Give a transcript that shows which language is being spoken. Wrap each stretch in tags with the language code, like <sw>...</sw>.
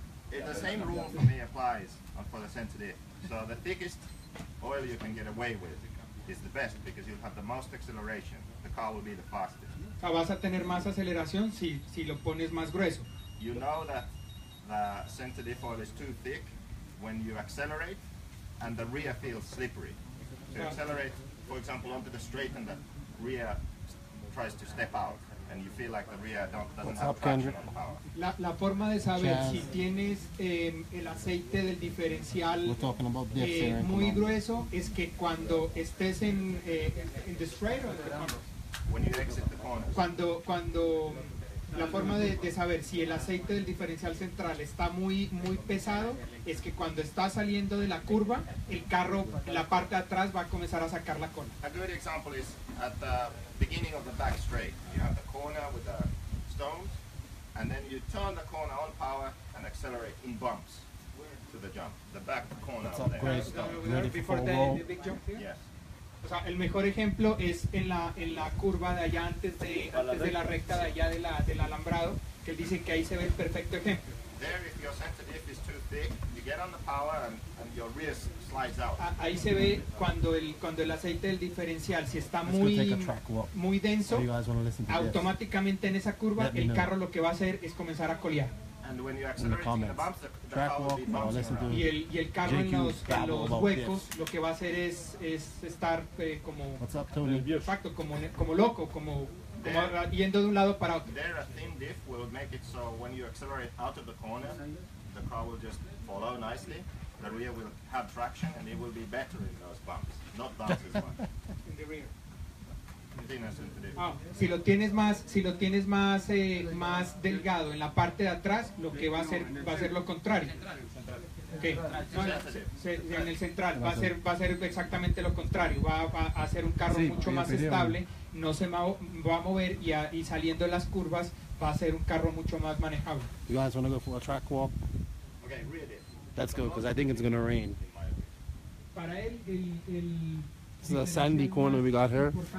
<en>The same rule for me applies for the center diff. So the thickest oil you can get away with is the best because you'll have the most acceleration. The car will be the fastest.</en> <es>O sea, vas a tener más aceleración si lo pones más grueso.</es> <en>You know that the center default is too thick when you accelerate and the rear feels slippery. So you accelerate, for example, onto the straight and the rear tries to step out. And you feel like the rear doesn't have traction or power.</en> <es>La forma de saber si tienes el aceite del diferencial muy grueso es que cuando estés en</es> <en>in the straight or the when you exit the corner.</en> <es>Cuando la forma de saber si el aceite del diferencial central está muy muy pesado es que cuando está saliendo de la curva el carro la parte de atrás va a comenzar a sacar la cola.</es> <en>A good example is at the beginning of the back straight. You have the corner with the stones and then you turn the corner on power and accelerate in bumps to the jump. The back corner. It's up there. Yes.</en> <es>O sea, el mejor ejemplo es en la curva de allá antes de la recta de allá del alambrado, que él dice que ahí se ve el perfecto ejemplo.</es> <en>There, if your center diff is too thick, you get on the power and your rear slides out.</en> <es>Ahí se ve cuando el aceite del diferencial si está muy denso, automáticamente en esa curva el carro lo que va a hacer es comenzar a colear.</es> <en>And when you accelerate the bumps, the car will be bouncing around.</en> <es>Y el carro en los huecos, lo que va a hacer es estar como...</es> <en>What's up, Tony?</en> <es>Exacto, como loco, como yendo de un lado para otro.</es> <en>There, a thin diff will make it so when you accelerate out of the corner, the car will just follow nicely. The rear will have traction and it will be better in those bumps. Not bounce as much. In the rear. Ah,</en> <es>si lo tienes más más delgado en la parte de atrás, lo que va a ser lo contrario. Okay. En el central va a ser exactamente lo contrario, va a ser un carro mucho más estable, no se va a mover y saliendo de las curvas va a ser un carro mucho más manejable.</es> <en>You guys want to go for a track walk? Okay, really. Let's go because I think it's going to rain.</en> <es>Para él el</es> <en>this is a sandy corner we got here.</en>